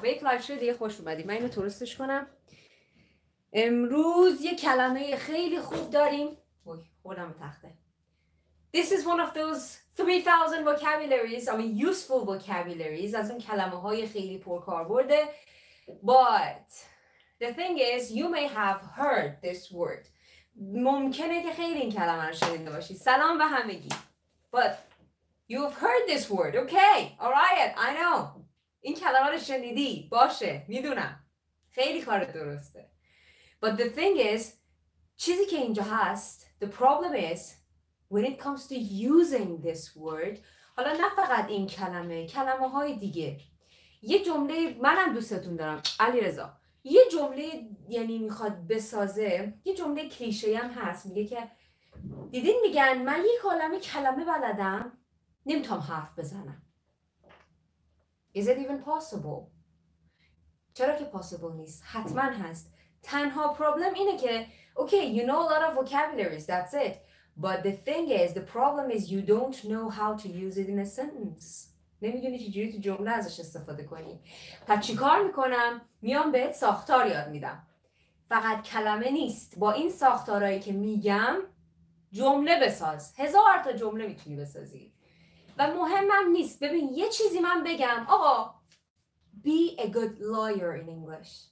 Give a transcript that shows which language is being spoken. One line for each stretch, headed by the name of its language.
Persian: به یک live show دیگه خوش اومدید. من اینو درستش کنم. امروز یه کلمه خیلی خوب داریم. اوه، خودم تخته.
English: This is one of those 3000 vocabularies. I mean useful vocabularies.
Persian: از اون کلمه‌های خیلی پرکاربرده.
English: But the thing is you may have heard this word.
Persian: ممکنه که خیلی این کلمه رو شنیده باشی. سلام به همگی.
English: But you've heard this word, okay? All right, I know.
Persian: این کلمه رو شنیدی. باشه. میدونم. خیلی کار درسته.
English: But the thing is,
Persian: چیزی که اینجا هست,
English: the problem is, when it comes to using this word,
Persian: حالا نه فقط این کلمه, کلمه های دیگه. یه جمله, منم دوستتون دارم, علیرضا. یه جمله, یعنی میخواد بسازه, یه جمله کلیشه‌ای هم هست. میگه که, دیدین میگن, من یک عالمه کلمه بلدم, نمیتونم حرف بزنم.
English: Is it even possible?
Persian: چرا که possible نیست؟ حتما هست. تنها پرابلم اینه که
English: okay, you know a lot of vocabularies, that's it. But the thing is, the problem is you don't know how to use it in a sentence.
Persian: نمیدونی چجوری تو جمله ازش استفاده کنی. پس چی کار میکنم؟ میام بهت ساختار یاد میدم. فقط کلمه نیست. با این ساختارهایی که میگم جمله بساز. هزار تا جمله میتونی بسازی. و مهمم نیست. ببین یه چیزی من بگم. آقا
English: be a good lawyer in English.